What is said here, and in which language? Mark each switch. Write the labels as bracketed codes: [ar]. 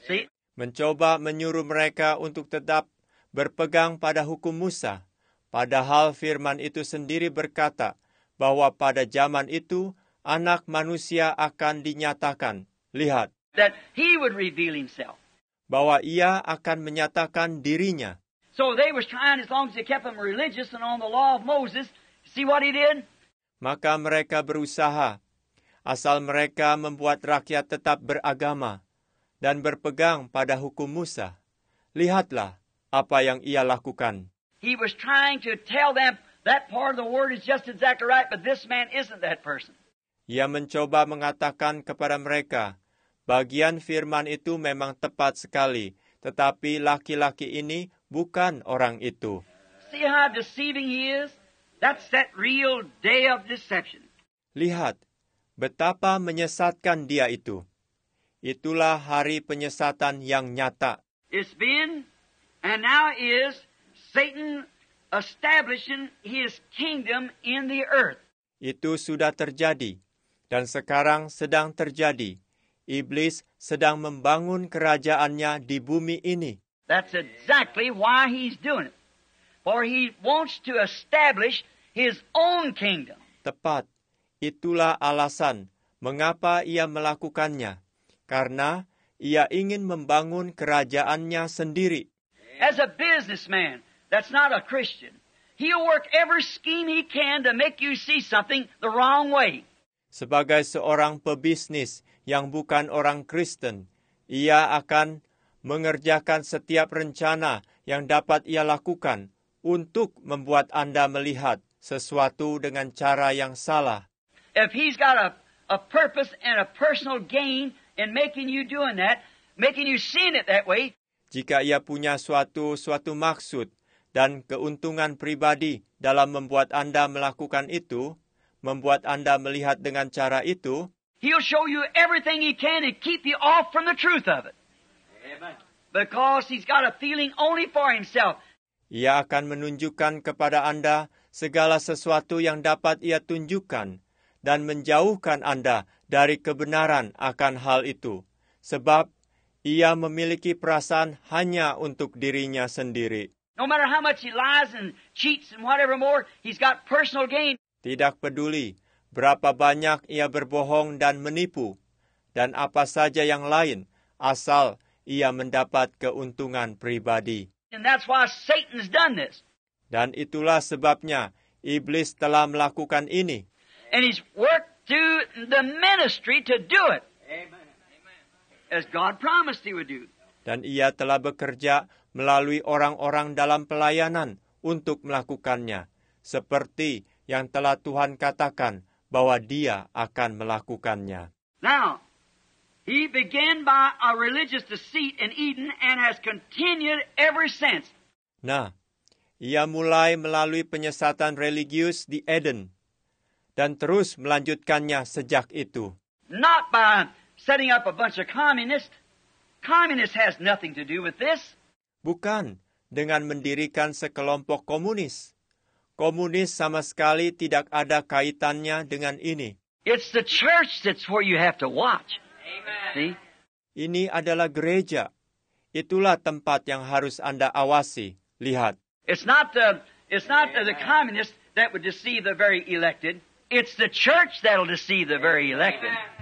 [en] See? [id] Mencoba menyuruh mereka untuk tetap berpegang pada hukum Musa, padahal firman itu sendiri berkata bahwa pada zaman itu Anak Manusia akan dinyatakan. Lihat. [en] That he would reveal himself. [id] Bahwa ia akan menyatakan dirinya. [en] So they were trying as long as they kept him religious and on the law of Moses. See what he did? [id] Maka mereka berusaha, asal mereka membuat rakyat tetap beragama dan berpegang pada hukum Musa. Lihatlah apa yang ia lakukan. [en] He was trying to tell them that part of the word is just exactly right, but this man isn't that person. [id] Ia mencoba mengatakan kepada mereka, bagian firman itu memang tepat sekali, tetapi laki-laki ini bukan orang itu. [en] See how deceiving he is? That's that real day of deception. [id] Lihat, betapa menyesatkan dia itu. Itulah hari penyesatan yang nyata. [en] It's been, and now is, Satan establishing his kingdom in the earth. [id] Itu sudah terjadi, dan sekarang sedang terjadi. Iblis sedang membangun kerajaannya di bumi ini. [en] That's exactly why he's doing it. For he wants to establish his own kingdom. [id] Tepat, itulah alasan mengapa ia melakukannya. Karena ia ingin membangun kerajaannya sendiri. [en] As a businessman that's not a Christian, he'll work every scheme he can to make you see something the wrong way. [id] Sebagai seorang pebisnis yang bukan orang Kristen, ia akan mengerjakan setiap rencana yang dapat ia lakukan untuk membuat Anda melihat sesuatu dengan cara yang salah. [en] If he's got a purpose and a personal gain in making you doing that, making you seeing it that way. [id] Jika ia punya suatu maksud dan keuntungan pribadi dalam membuat Anda melakukan itu, membuat Anda melihat dengan cara itu, [en] he'll show you everything he can to keep you off from the truth of it. Because he's got a feeling only for himself. [id] Ia akan menunjukkan kepada Anda segala sesuatu yang dapat ia tunjukkan dan menjauhkan Anda dari kebenaran akan hal itu. Sebab ia memiliki perasaan hanya untuk dirinya sendiri. [en] No matter how much he lies and cheats and whatever more, he's got personal gain. [id] Tidak peduli berapa banyak ia berbohong dan menipu, dan apa saja yang lain, asal ia mendapat keuntungan pribadi. [en] And that's why Satan's done this. [id] Dan itulah sebabnya iblis telah melakukan ini. [en] And he's worked through the ministry to do it. Amen. As God promised he would do. [id] Dan ia telah bekerja melalui orang-orang dalam pelayanan untuk melakukannya, seperti yang telah Tuhan katakan bahwa dia akan melakukannya. [en] Now, he began by a religious deceit in Eden and has continued ever since. [id] Nah, ia mulai melalui penyesatan religius di Eden dan terus melanjutkannya sejak itu. [en] Not by setting up a bunch of communists. Communists has nothing to do with this. [id] Bukan dengan mendirikan sekelompok komunis. Komunis sama sekali tidak ada kaitannya dengan ini. [en] It's the church that's where you have to watch. Amen. See? [id] Ini adalah gereja. Itulah tempat yang harus Anda awasi. Lihat. [en] It's not the communists that would deceive the very elected. It's the church that'll deceive the very elected.